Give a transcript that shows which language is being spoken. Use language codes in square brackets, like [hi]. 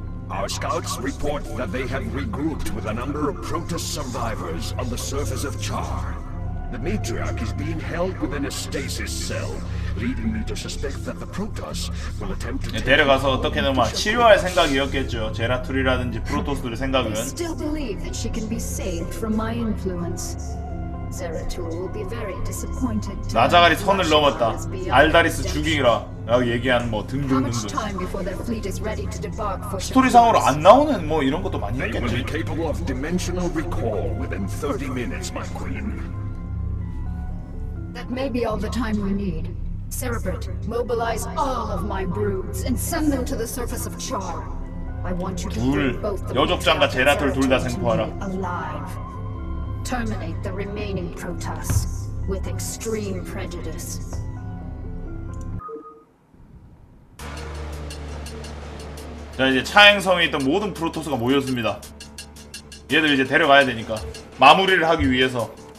[en] Our scouts report that they have regrouped with a number of Protoss survivors on the surface of Char. The Matriarch is being held within a stasis cell. Leading me to suspect that the Protoss will attempt to. [ko] 데려가서 어떻게든 막 치료할 생각이었겠죠. 제라툴이라든지 프로토스들의 생각은. [en] They still believe that she can be saved from my influence. Zeratul will be very disappointed. [ko] 나자갈이 선을 넘었다. 알다리스 죽이라라고 얘기한 뭐 등등등등. 스토리상으로 안 나오는 뭐 이런 것도 많이 있겠지. [en] They will be capable of dimensional recall within 30 minutes, my queen. That may be all the time we need. Cerebrate, mobilize all of my broods and send them to the surface of Char. I want you to free both the. [ko] 여족장과 제라툴 둘 다 생포하라. [en] Terminate the remaining Protoss with extreme prejudice. [ko] 자 이제 차행성에 있던 모든 프로토스가 모였습니다. 얘들 이제 데려가야 되니까 마무리를 하기 위해서.